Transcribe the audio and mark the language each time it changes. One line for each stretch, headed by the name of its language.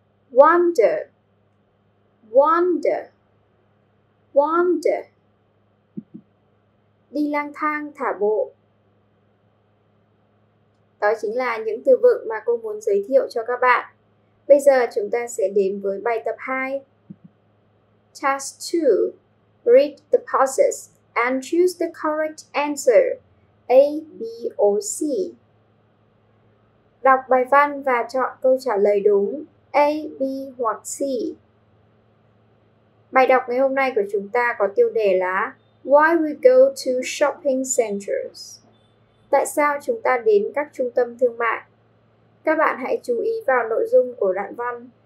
English: Wander, wander, wander.
Vietnamese: Đi lang thang, thả bộ. Đó chính là những từ vựng mà cô muốn giới thiệu cho các bạn. Bây giờ chúng ta sẽ đến với bài tập 2.
English: Task 2. Read the pauses and choose the correct answer A, B, O, C.
Vietnamese: Đọc bài văn và chọn câu trả lời đúng A, B hoặc C. Bài đọc ngày hôm nay của chúng ta có tiêu đề là Why we go to shopping centers? Tại sao chúng ta đến các trung tâm thương mại? Các bạn hãy chú ý vào nội dung của đoạn văn.